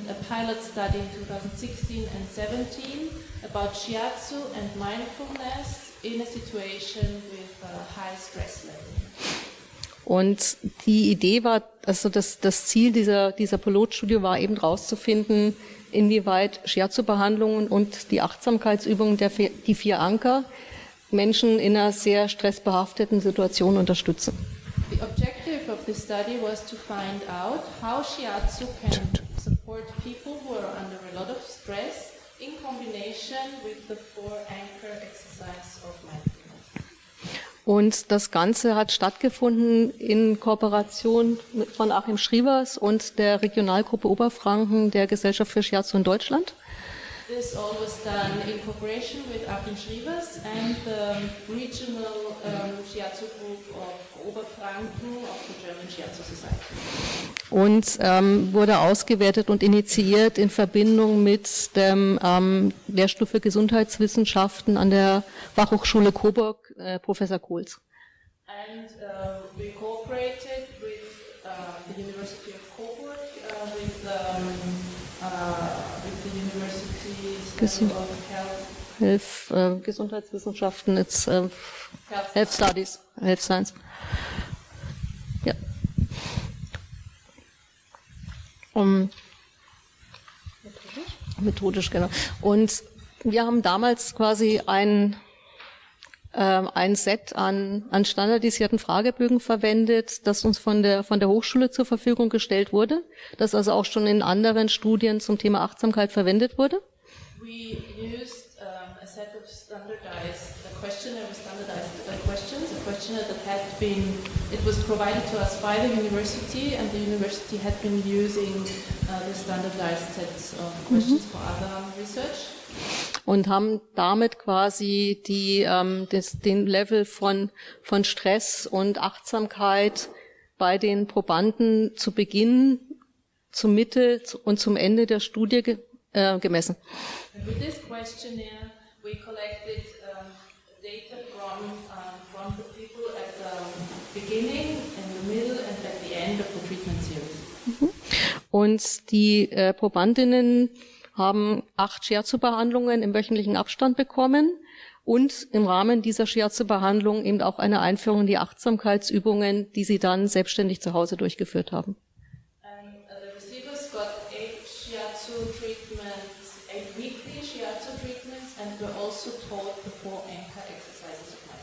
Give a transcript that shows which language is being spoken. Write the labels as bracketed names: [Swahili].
[English] A pilot study in 2016 and 17 about shiatsu and mindfulness in a situation with a high stress level. [German] Und die Idee war, also das Ziel dieser Pilotstudie war eben rauszufinden, inwieweit Shiatsu-Behandlungen und die Achtsamkeitsübungen die vier Anker Menschen in einer sehr stressbehafteten Situation unterstützen. [English] The objective of this study was to find out how shiatsu can support people who are under a lot of stress in combination with the four anchor exercise of mindfulness. [German] Und das Ganze hat stattgefunden in Kooperation von Achim Schrievers und der Regionalgruppe Oberfranken der Gesellschaft für Shiatsu in Deutschland. [English] This all was done in cooperation with Achim Schrievers and the regional Shiatsu group of Oberfranken [German] auf der German Shiatsu Society. Und wurde ausgewertet und initiiert in Verbindung mit dem Lehrstuhl für Gesundheitswissenschaften an der Fachhochschule Coburg, Professor Kohls. [English] And we cooperated with the University of Coburg, with the University of Health. Gesundheitswissenschaften, it's Health Studies. Health Science. Ja. [German] Methodisch, genau. Und wir haben damals quasi ein Set an standardisierten Fragebögen verwendet, das uns von der Hochschule zur Verfügung gestellt wurde, das also auch schon in anderen Studien zum Thema Achtsamkeit verwendet wurde. [English] We used a set of standardized questions that had been, it was provided to us by the university and the university had been using the standardized sets of questions for other research. [German] Und haben damit quasi den Level von Stress und Achtsamkeit bei den Probanden zu Beginn, zur Mitte und zum Ende der Studie gemessen. [English] And with this questionnaire we collected data from the people at the beginning, in the middle and at the end of the treatment series. [German] Und die Probandinnen haben 8 Shiatsu-Behandlungen im wöchentlichen Abstand bekommen und im Rahmen dieser Shiatsu-Behandlung eben auch eine Einführung in die Achtsamkeitsübungen, die sie dann selbstständig zu Hause durchgeführt haben. [English] The receivers got 8 Shiatsu-Treatments weekly shiatsu treatments, and we also taught the four anchor exercises.